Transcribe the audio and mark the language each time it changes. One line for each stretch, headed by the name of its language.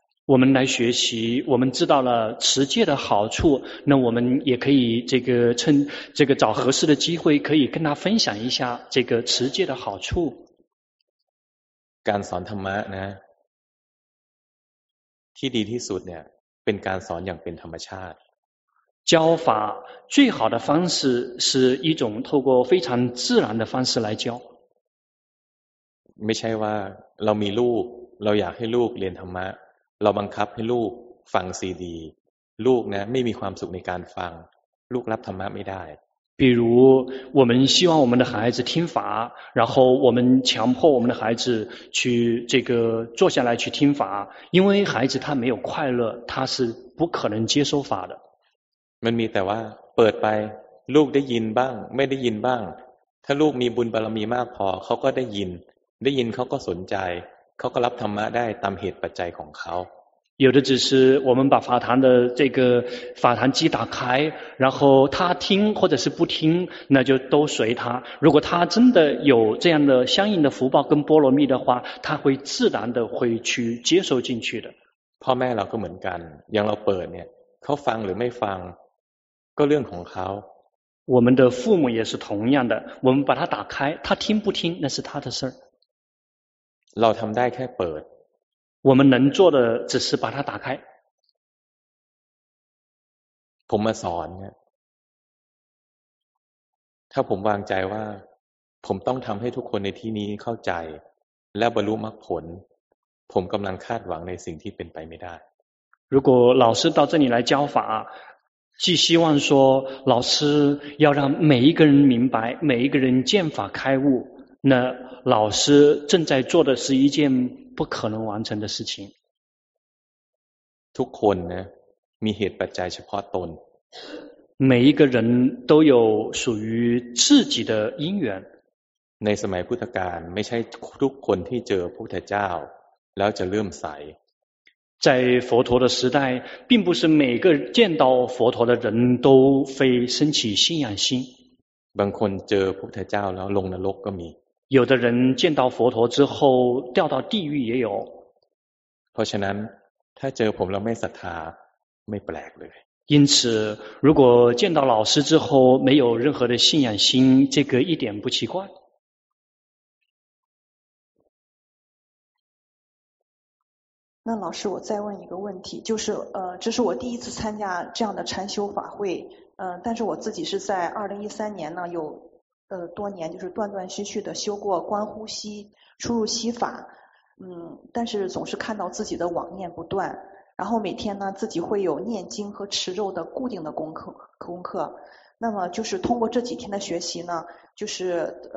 Thai: วันนี้เรียนรู้เราเข้าใจประโยชน์ของการมีศีลแล้วเราก็สามารถใช้
Chinese: 这个找合适的机会可以跟他分享一下这个持戒的好处
Thai: การสอนธรรมะนะที่ดีที่สุดเนี่ยเป็นการสอนอย่างเป็นธรรมชาติ
Chinese: 教法最好的方式是一种透过非常自然的方式来教
Thai: ไม่ใช่ว่าเรามีลูกเราอยากให้ลูกเรียนธรรมะเราบังคับให้ลูกฟังซีดีลูกนะไม่มีความสุขในการฟังลูกรับธรรมะไม่ได้
Chinese: 比如我们希望我们的孩子听法然后我们强迫我们的孩子去这个坐下来去听法因为孩子他没有快乐他是不可能接受法的
Thai: มันมีแต่ว่าเปิดไปลูกได้ยินบ้างไม่ได้ยินบ้างถ้าลูกมีบุญบารมีมากพอเขาก็ได้ยินได้ยินเขาก็สนใจเขาก็รับธรรมะได้ตามเหตุปัจจัยของเขา
Chinese: 有的只是我们把法坛的这个法坛机打开然后他听或者是不听那就都随他如果他真的有这样的相应的福报跟波罗蜜的话他会自然的会去接受进去的
Thai: พ่อแม่เราก็เหมือนกันอย่างเราเปิดเนี่ยเขาฟังหรือไม่ฟัง ก็เรื่องของเขา
Chinese: 我们的父母也是同样的我们把它打开他听不听那是他的事
Thai: 儿เราทำได้แค่เปิด
Chinese: 我们能做的只是把它打开
Thai: ผมมาสอนเนี่ยถ้าผมวางใจว่าผมต้องทำให้ทุกคนในที่นี้เข้าใจและบรรลุมรรคผลผมกำลังคาดหวังในสิ่งที่เป็นไปไม่ได้
Chinese: 如果老师到这里来教法既希望说老师要让每一个人明白每一个人见法开悟那老师正在做的是一件不可能完成的事情
Thai: ทุกคนนะมีเหตุปัจจัยเฉพาะตน
Chinese: 每一个人都有属于自己的因缘
Thai: ในสมัยพุทธกาลไม่ใช่ทุกคนที่เจอพุทธเจ้าแล้วจะเลื่อมใส
Chinese: 在佛陀的时代并不是每个见到佛陀的人都非升起信仰心
Thai: บางคนเจอพุทธเจ้าแล้วลงนรกก็มี
Chinese: 有的人见到佛陀之后掉到地狱也有
Thai: เพราะฉะนั้นถ้าเจอผมแล้วไม่ศรัทธาไม่แปลกเลย
Chinese: 因此如果见到老师之后没有任何的信仰心这个一点不奇怪那老师我再问一个问题就是这是我第一次参加这样的禅修法会但是我自己是在2013年呢有多年就是断断续续的修过观呼吸出入息法但是总是看到自己的妄念不断然后每天呢自己会有念经和持咒的固定的功课那么就是通过这几天的学习呢就是